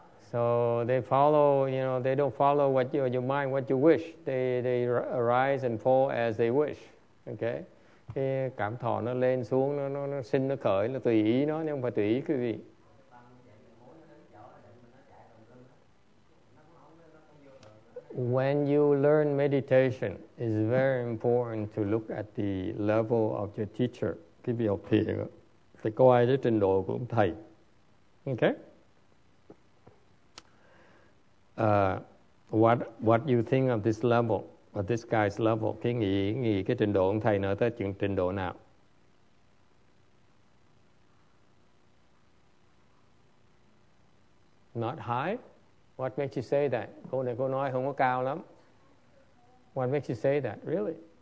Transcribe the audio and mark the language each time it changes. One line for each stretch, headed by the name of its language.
English: So they follow, you know, they don't follow what your mind, what you wish. They arise and fall as they wish. Okay?
Vietnamese: Cái cảm thọ nó lên xuống, nó sinh, nó khởi, nó tùy ý nó, nhưng không phải tùy ý quý vị.
English: When you learn meditation, it's very important to look at the level of your teacher.
Vietnamese: Cái việc học thiền đó, phải coi cái trình độ của ông thầy.
English: Okay? What you think of this level, of this guy's level?
Vietnamese: Cái nghĩ cái trình độ ông thầy nói tới chuyện trình độ nào?
English: Not high? What makes you say that?
Vietnamese: Cô này cô nói không có cao lắm.
English: What makes you say that? Really?